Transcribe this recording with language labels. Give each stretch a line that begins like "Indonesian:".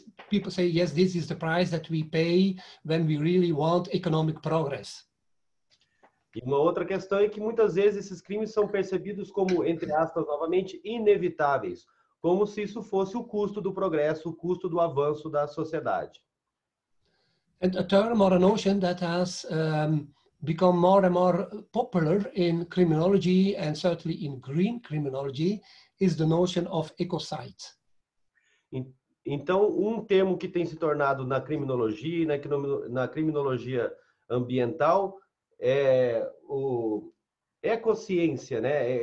English: People say, yes, this is the price that we pay when we really want economic progress.
Portuguese: E uma outra questão é que muitas vezes esses crimes são percebidos como, entre aspas, novamente, inevitáveis, como se isso fosse o custo do progresso, o custo do avanço da sociedade.
English: And a term or a notion that has become more and more popular in criminology and certainly in green criminology is the notion of ecocide.
Portuguese: Então, um termo que tem se tornado na criminologia, na criminologia ambiental, é o ecociência, né?